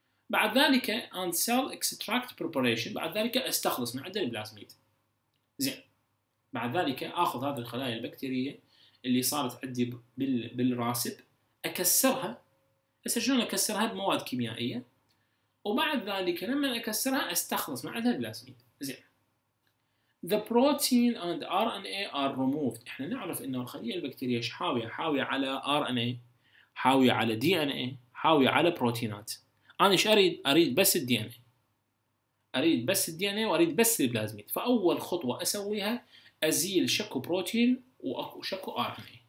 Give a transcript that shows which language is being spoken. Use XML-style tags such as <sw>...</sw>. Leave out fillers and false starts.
<ar>بعد ذلك</ar> <en>and cell extract preparation,</en> <ar>بعد ذلك استخلص من عند البلازميد. زين. بعد ذلك اخذ هذه الخلايا البكتيريه اللي صارت عندي بالراسب اكسرها هسه شلون اكسرها بمواد كيميائيه وبعد ذلك لما اكسرها استخلص من عند البلازميد. زين.</ar> <en>The protein and RNA are removed.</en> <ar>إحنا نعرف إنه الخلية البكتيرية حاوية على RNA، حاوية على DNA، حاوية على بروتينات. أنا إيش أريد؟ أريد بس الDNA. أريد بس الDNA وأريد بس البلازميد. فأول خطوة أسويها أزيل شكو بروتين وشكو RNA.</ar>